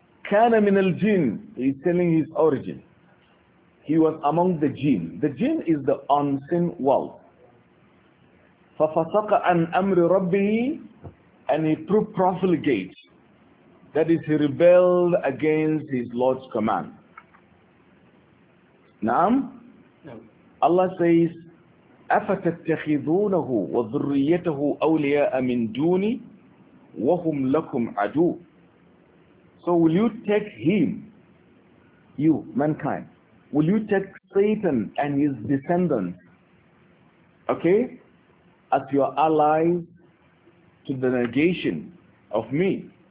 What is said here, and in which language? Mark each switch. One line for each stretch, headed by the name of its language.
Arabic: كَانَ مِنَ الْجِنِ.
English: He's telling his origin. He was among the jinn. The jinn is the unseen world.
Arabic: فَفَسَقَ عَنْ أَمْرِ رَبِّهِ.
English: And he profligated, that is, he rebelled against his Lord's command.
Arabic: Naam?
English: No. Allah says,
Arabic: أَفَتَتَّخِذُونَهُ وَذُرِّيَّتَهُ أَوْلِيَاءَ مِنْ دُونِي وَهُمْ لَكُمْ عَدُوٌ.
English: So will you take him, you, mankind, will you take Satan and his descendants, okay, as your allies, to the negation of me?